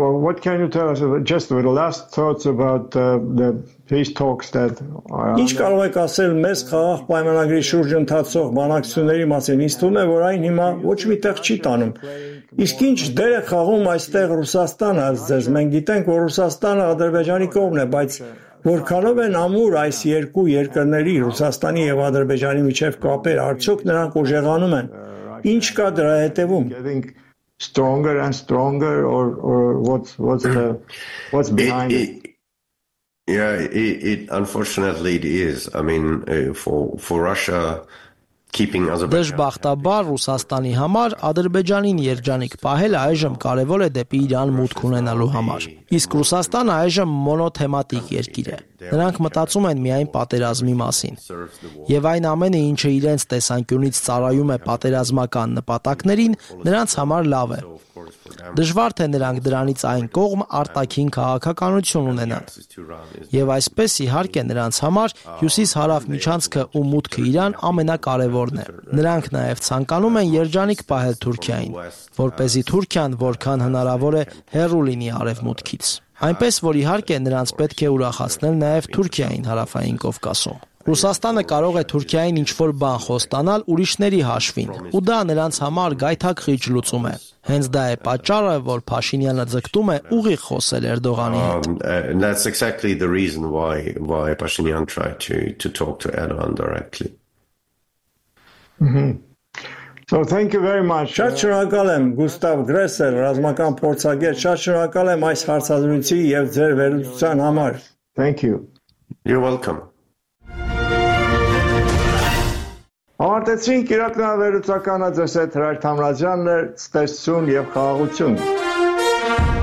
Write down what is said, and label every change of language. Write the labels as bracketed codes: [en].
[en] what can you tell us just with the last thoughts about the peace talks that [hy] Ինչ կարող եք ասել մեզ խաղաղ պայմանագրի շուրջ ընթացող բանակցությունների մասին? Ինձ թվում է, որ այն հիմա ոչ մի տեղ չի տանում։ Իսկ ինչ դեր է խաղում այստեղ Ռուսաստանը, ձեզ մենք գիտենք, որ Ռուսաստանը Ադրբեջանի կողմն է, բայց որքանով են ամուր այս երկու երկրների, Ռուսաստանի եւ Ադրբեջանի միջև կապեր, արդյոք նրանք ուժեղանում են, ինչ կա դրա հետևում? [en] Stronger and stronger, or what's behind it unfortunately it is. I mean, for Russia keeping Azerbaijan. [hy] Դժբախտաբար Ռուսաստանի համար Ադրբեջանին երջանիկ պահելը այժմ կարևոր է դեպի Իրան մուտք ունենալու համար։ Իսկ Ռուսաստանը այժմ մոնոթեմատիկ երկիր է։ Նրանք մտածում են միայն պատերազմի մասին։ Եվ այն ամենը, ինչը իրենց տեսանկյունից ծառայում է պատերազմական նպատակներին, նրանց համար լավ է։ Դժվար թե նրանք դրանից այն կողմ արտաքին քաղաքականություն ունենան։ Եվ այսպես իհարկե նրանց համար հյուսիս հարավ միջանցքը ու մուտքը Իրան ամենակարևորն է։ Նրանք նաև ցանկանում են երջանիկ պահել Թուրքիային, որպեսզի Թուրքիան որքան հնարավոր է հեռու լինի արևմուտքից։ Այնպես որ իհարկե նրանց պետք է ուրախացնել նաև Թուրքիային հարավային Կովկասում։ Ռուսաստանը կարող է Թուրքիային ինչ-որ բան խոստանալ ուրիշների հաշվին, ու դա նրանց համար գայթակղիչ լուծում է։ Հենց դա է պատճառը, որ Փաշինյանը ձգտում է ուղիղ խոսել Էրդողանի հետ։ [en] That's exactly the reason why Pashinyan tried to talk to Erdogan directly. So thank you very much. [hy] Շատ շնորհակալ եմ, Գուստավ Գրեսեր, ռազմական փորձագետ, շատ շնորհակալ եմ այս հարցազրույցի եւ ձեր վերլուծության համար։ [en] Thank you. You're welcome. [hy] Ավարտեցինք իրաքնավերուցականը, ձեզ հետ Հրայր Թամրազյանն էր, ցտեսություն եւ խաղաղություն։